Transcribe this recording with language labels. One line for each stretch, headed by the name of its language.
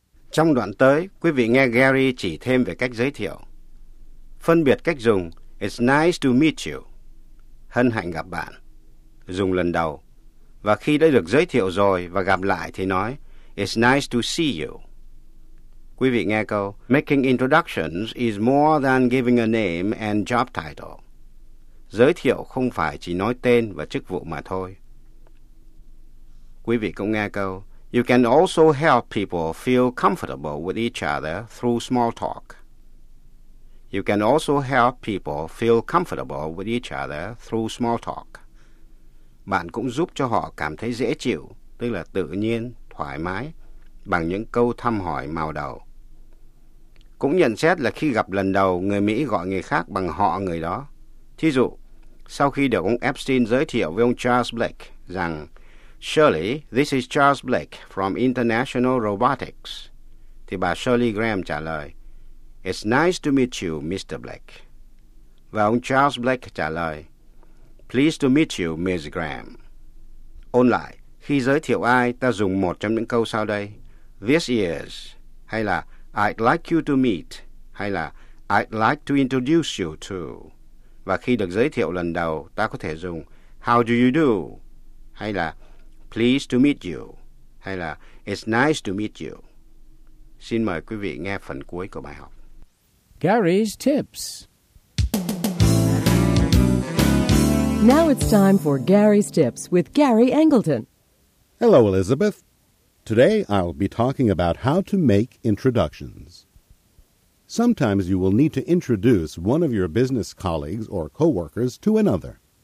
Vietnamese: Trong đoạn tới, quý vị nghe Gary chỉ thêm về cách giới thiệu. Phân biệt cách dùng,
English: it's nice to meet you.
Vietnamese: Hân hạnh gặp bạn. Dùng lần đầu. Và khi đã được giới thiệu rồi và gặp lại thì nói,
English: it's nice to see you.
Vietnamese: Quý vị nghe câu,
English: making introductions is more than giving a name and job title.
Vietnamese: Giới thiệu không phải chỉ nói tên và chức vụ mà thôi. Quý vị cũng nghe câu,
English: you can also help people feel comfortable with each other through small talk. You can also help people feel comfortable with each other through small talk.
Vietnamese: Bạn cũng giúp cho họ cảm thấy dễ chịu, tức là tự nhiên, thoải mái, bằng những câu thăm hỏi mào đầu. Cũng nhận xét là khi gặp lần đầu, người Mỹ gọi người khác bằng họ người đó. Thí dụ, sau khi được ông Epstein giới thiệu với ông Charles Blake rằng,
English: Shirley, this is Charles Blake from International Robotics.
Vietnamese: Thì bà Shirley Graham trả lời,
English: it's nice to meet you, Mr. Blake.
Vietnamese: Và ông Charles Blake trả lời,
English: pleased to meet you, Ms.
Vietnamese: Graham. Ôn lại, khi giới thiệu ai, ta dùng một trong những câu sau đây.
English: This is,
Vietnamese: hay là
English: I'd like you to meet, hay là I'd like to introduce you to.
Vietnamese: Và khi được giới thiệu lần đầu, ta có thể dùng
English: how do you do,
Vietnamese: hay là
English: pleased to meet you,
Vietnamese: hay là
English: it's nice to meet you.
Vietnamese: Xin mời quý vị nghe phần cuối của bài học.
English: Gary's Tips. Now it's time for Gary's Tips with Gary Angleton. Hello, Elizabeth. Today I'll be talking about how to make introductions. Sometimes you will need to introduce one of your business colleagues or co-workers to another.